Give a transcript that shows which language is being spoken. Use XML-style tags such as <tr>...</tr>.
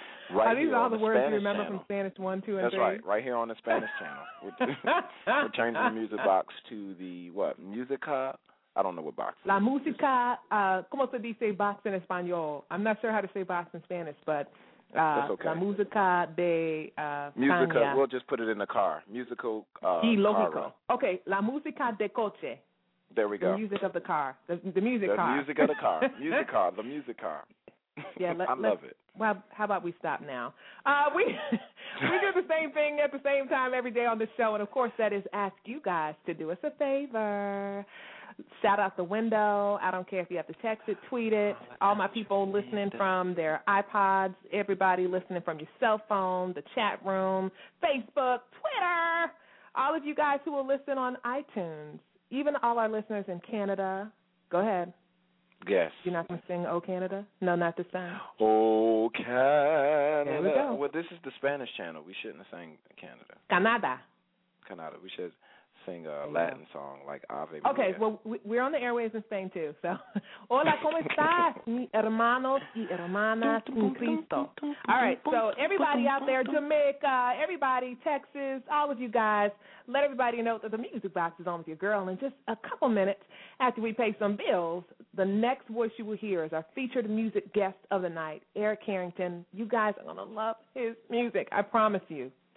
<en>Right. Are these all the words you remember from Spanish 1, 2, and 3? That's right. Right here on the Spanish channel. We're turning the music box to the, what, Musica? I don't know what box.</en> <es>La música, ¿cómo se dice box en español?</es> <en>I'm not sure how to say box in Spanish, but okay.</en> <es>La música de Musica,</es> <en>Tanya. We'll just put it in the car. Musical</en> <es>y lógico. Okay, la música de coche.</es> <en>There we go. The music of the car. The music the car. The music of the car. Music car. The music car. Yeah, I love it. Well, how about we stop now? We do the same thing at the same time every day on the show, and, of course, that is ask you guys to do us a favor. Shout out the window. I don't care if you have to text it, tweet it. All my people listening from their iPods, everybody listening from your cell phone, the chat room, Facebook, Twitter, all of you guys who will listen on iTunes, even all our listeners in Canada, go ahead. Yes. You're not going to sing O Canada? No, not this time. O Canada. There we go. Well, this is the Spanish channel. We shouldn't have sang Canada. Canada. Canada. We should sing a Latin song like Ave Maria. Okay, well, we're on the airwaves in Spain too, so.</en> <es>Hola, ¿cómo estás, mi hermanos y hermanas en Cristo?</es> <en>All right, so everybody out there, Jamaica, everybody, Texas, all of you guys, let everybody know that the music box is on with your girl. In just a couple minutes after we pay some bills, the next voice you will hear is our featured music guest of the night, Aric Carrington. You guys are going to love his music, I promise you.</en>